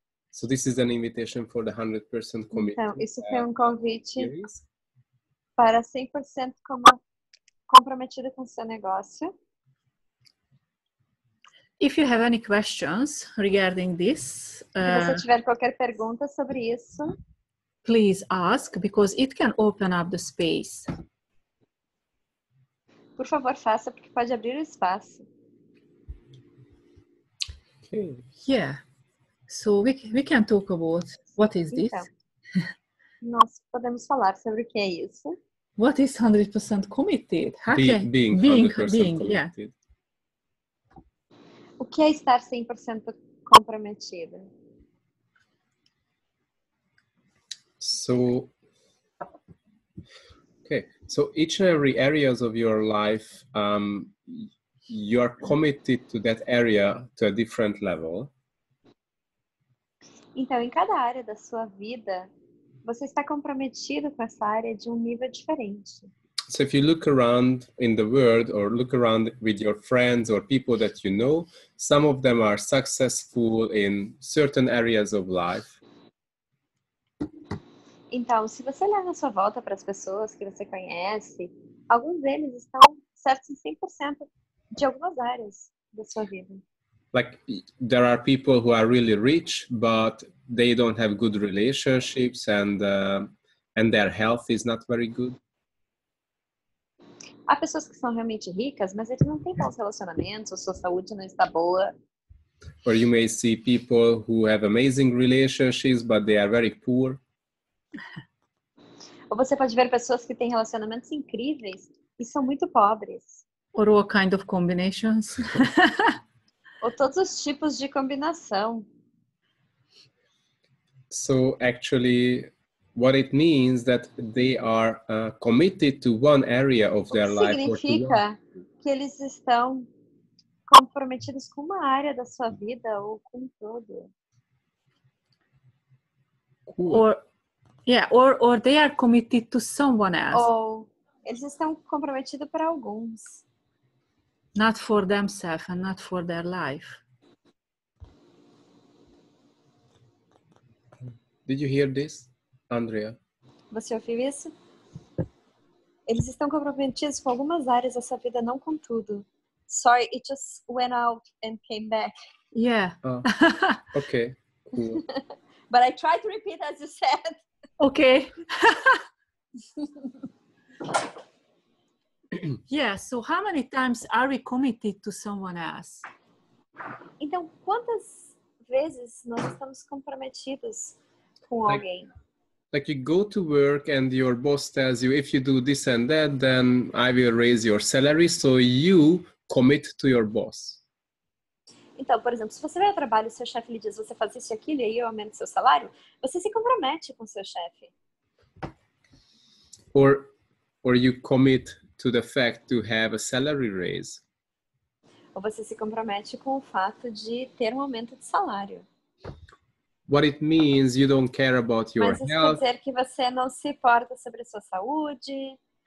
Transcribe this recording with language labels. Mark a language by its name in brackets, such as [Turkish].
[English] So this is an invitation for the 100% committee. [Portuguese] Então, isso foi convite para 100% comprometida com seu negócio. [English] If you have any questions regarding this, [Portuguese] se tiver qualquer pergunta sobre isso, [English] please ask, because it can open up the space. [Portuguese] Por favor, faça, porque pode abrir o espaço. [English] Okay. Yeah. So we can talk about what is this? [Portuguese] Nós podemos falar sobre o que é isso. [English] What is 100% committed? Being 100% committed. [Portuguese] O que é estar 100% comprometida? [English] So each and every areas of your life, you are committed to that area to a different level. [Portuguese] Então, em cada área da sua vida, você está comprometido com essa área de nível diferente. [English] So if you look around in the world or look around with your friends or people that you know, some of them are successful in certain areas of life. [Portuguese] Então, se você olhar na sua volta para as pessoas que você conhece, alguns deles estão certos em 100% de algumas áreas da sua vida. [English] Like, there are people who are really rich, but they don't have good relationships and their health is not very good. [Portuguese] Há pessoas que são realmente ricas, mas eles não têm bons relacionamentos, ou sua saúde não está boa. [English] Or you may see people who have amazing relationships, but they are very poor. [Portuguese] Ou você pode ver pessoas que têm relacionamentos incríveis e são muito pobres. [English] Or all kind of combinations. [Portuguese] Ou todos os tipos de combinação. [English] So actually, what it means that they are committed to one area of their life. [Portuguese] Significa que eles estão comprometidos com uma área da sua vida ou com todo. [English] Or they are committed to someone else. [Portuguese] Ou eles estão comprometidos para alguns. [English] Not for themselves and not for their life. Did you hear this, Andrea? [Portuguese] Você ouviu isso? Eles estão comprometidos com algumas áreas dessa vida, não com tudo. [English] Sorry, it just went out and came back. Yeah. Okay. Cool. But I tried to repeat as you said. Okay. Yeah, so how many times are we committed to someone else? [Portuguese] Então, quantas vezes nós estamos comprometidos com alguém? [English] Like you go to work and your boss tells you, if you do this and that, then I will raise your salary, so you commit to your boss. [Portuguese] Então, por exemplo, se você vai ao trabalho e seu chefe lhe diz, você faz isso e aquilo e aí eu aumento seu salário, você se compromete com seu chefe. [English] Or you commit to the fact to have a salary raise. [Portuguese] Ou você se compromete com o fato de ter um aumento de salário. [English] What it means, you don't care about your [Portuguese] Mas [English] health. [Portuguese] Quer dizer que você não se importa sobre a sua saúde.